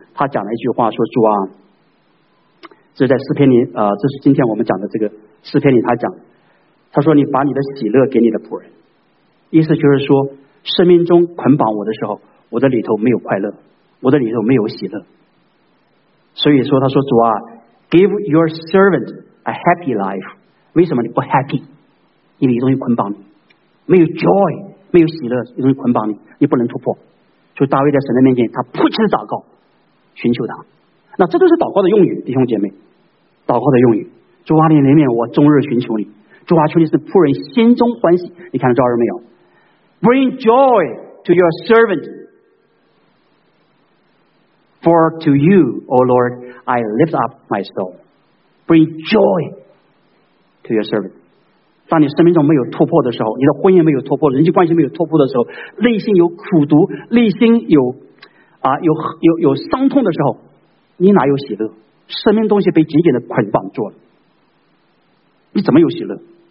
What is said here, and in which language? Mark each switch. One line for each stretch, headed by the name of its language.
Chinese: 他讲了一句话说，主啊，这是在诗篇里这是今天我们讲的这个诗篇里，他讲，他说，你把你的喜乐给你的仆人，意思就是说，生命中捆绑我的时候，我的里头没有快乐，我的里头没有喜乐。所以说他说，主啊，
English: give your servant a happy life。
Chinese: 为什么你不 happy？ 因为有东西捆绑你，没有 joy， 没有喜乐，有东西捆绑你，你不能突破。就大卫在神的面前，他迫切的祷告，寻求他。那这都是祷告的用语，弟兄姐妹，祷告的用语。主啊，你怜悯我，终日寻求你。主啊，求你使仆人心中欢喜。你看到这儿没有？
English: Bring joy to your servant, for to you, O Lord, I lift up my soul. Bring joy to your servant.
Chinese: 当你生命中没有突破的时候，你的婚姻没有突破，人际关系没有突破的时候，内心有苦毒，内心有有伤痛的时候，你哪有喜乐？生命东西被紧紧的捆绑住了，你怎么有喜乐？